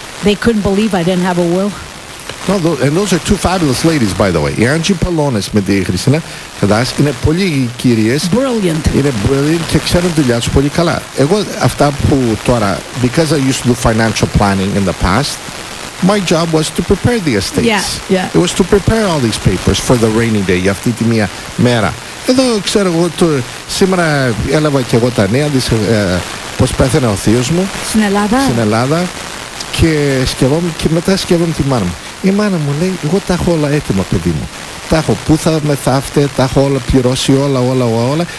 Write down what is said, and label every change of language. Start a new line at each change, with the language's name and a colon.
English: They couldn't believe I didn't have a will. No, and those are two fabulous ladies, by the way.
Greek: Η Άντζι Πολώνες με τη Χριστίνα Καντάς είναι πολύ κυρίες.
English: Brilliant.
Greek: Είναι brilliant και ξέρουν δουλειά τους πολύ καλά. Εγώ αυτά που τώρα,
English: because I used to do financial planning in the past, my job was to prepare the estates. Yeah. It was to prepare all these papers for the rainy day,
Greek: για αυτή τη μία μέρα. Εδώ ξέρω εγώ, σήμερα έλαβα και εγώ τα νέα της, πώς πέθανε ο θείος μου. Στην Ελλάδα. Στην Ελλάδα. Και σκεφτόμουν, και μετά σκεφτόμουν τη μάνα μου. Η μάνα μου λέει, εγώ τα έχω όλα έτοιμα, παιδί μου. Τα έχω πού θα μεθάφτε, τα έχω όλα πληρώσει, όλα.